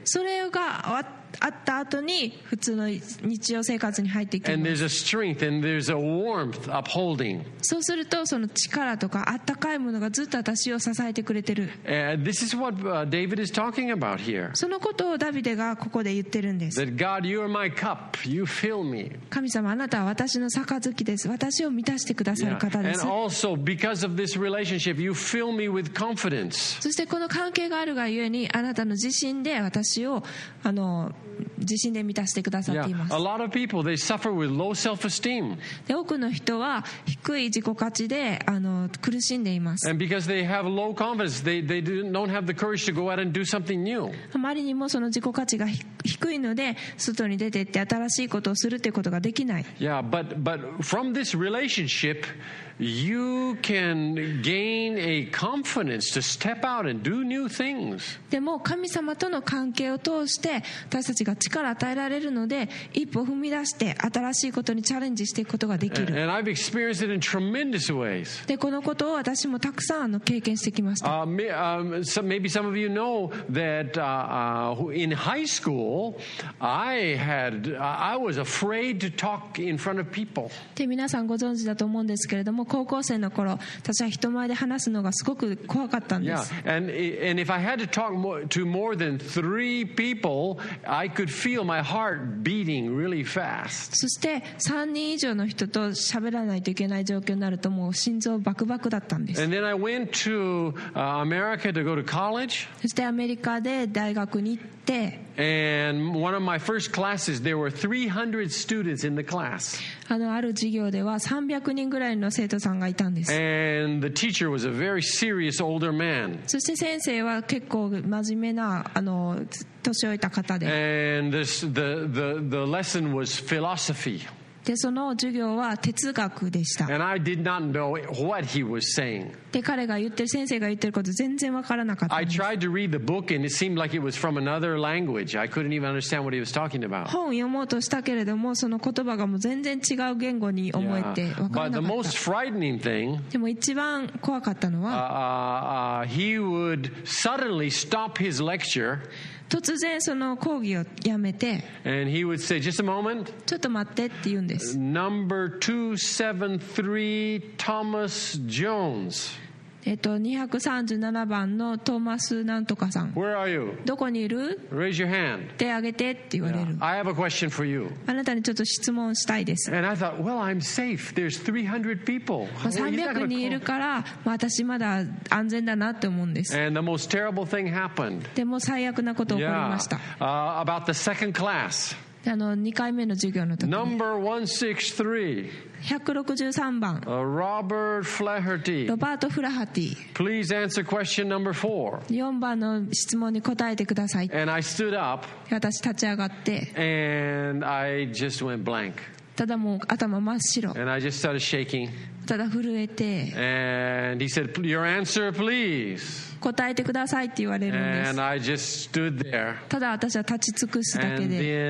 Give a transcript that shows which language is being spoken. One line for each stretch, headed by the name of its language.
Japanese: それがあった後に普通の日常生活に入っていきます。
English: And there's a strength and there's a warmth upholding.
Japanese: そうするとその力とか温かいものがずっと私を支えてくれてる。
English: And this is what David is talking about here.
Japanese: そのことをダビデがここで言ってるんです。
English: That God, you are my cup. You fill me.
Japanese: 神様、あなたは私の杯です。私を満たしてくださる方です。
English: And also, because of this relationship, you fill me with confidence.
Japanese: そしてこの関係があるがゆえに、あなたの自信で私を自信で満たしてくださっています。
English: A lot of people, they suffer with low self-esteem.
Japanese: 多くの人は低い自己価値で苦しんでいます。
English: And because they have low confidence, they don't have the courage to go out and do something new.
Japanese: あまりにもその自己価値が低いので外に出てって新しいことをするということができない。
English: Yeah, but from this relationship, you can gain a confidence to step out and do new things.
Japanese: でも神様との関係を通して私たちが力を与えられるので一歩踏み出して新しいことにチャレンジしていくことができる。
English: And I've experienced it in tremendous ways.
Japanese: でこのことを私もたくさん経験してきました。
English: Maybe some of you know that in high school I was afraid to talk in front of people.
Japanese: で皆さんご存知だと思うんですけれども、高校生の頃私は人前で話すのがすごく怖かったんです。
English: Yeah. And if I had to talk to more than three people, I could feel my heart beating really fast.
Japanese: そして3人以上の人と喋らないといけない状況になるともう心臓バクバクだったんです。
English: And then I went to America to go to college.
Japanese: そしてアメリカで大学に行って、
English: And one of my first classes, there were 300 students in the class.
Japanese: ある授業では300人ぐらいの生徒さんがいたんです。
English: And the teacher was a very serious older man.
Japanese: そして先生は結構真面目な年老いた方で。
English: And the lesson was philosophy.
Japanese: でその授業は哲学でした。
English: And I did not know what he was saying.
Japanese: で彼が言ってる先生が言ってること全然わからなかったんです。
English: I tried to read the book and it seemed like it was from another language. I couldn't even understand what he was talking about.
Japanese: 本読もうとしたけれどもその言葉がもう全然違う言語に思えてわからなかった。
English: But the most frightening thing,
Japanese: でも一番怖かったのは
English: he would suddenly stop his lecture.
Japanese: 突然その講義をやめて、
English: And he would say, just a moment,
Japanese: ちょっと待ってって言うんです。
English: Number 273 Thomas Jones.
Japanese: 237番のトーマスなんとかさん。
English: Where are you?
Japanese: どこにいる？
English: Raise your hand.
Japanese: 手挙げてって言われる。
English: Yeah. I have a question for you.
Japanese: あなたにちょっと質問したいです。
English: And I thought, well, I'm safe. There's 300 people.
Japanese: 300人いるから、まあ、私まだ安全だなって思うんです。
English: And the most terrible thing happened.
Japanese: でも最悪なこと起こりました。
English: Yeah. About the second class.
Japanese: 2回目の授業の時。
English: Number 163.
Japanese: 163番
English: Robert Flaherty.
Japanese: ロバート・フラハティ。
English: Please answer question number 4.
Japanese: 4番の質問に答えてください。
English: And I stood up.
Japanese: 私立ち上がって。
English: And I just went blank.
Japanese: ただもう頭真っ白。
English: And I just started shaking.
Japanese: ただ震えて。
English: And he said, "Your answer, please."
Japanese: 答えてくださいって言われるんです。ただ私は立ち尽くすだけで。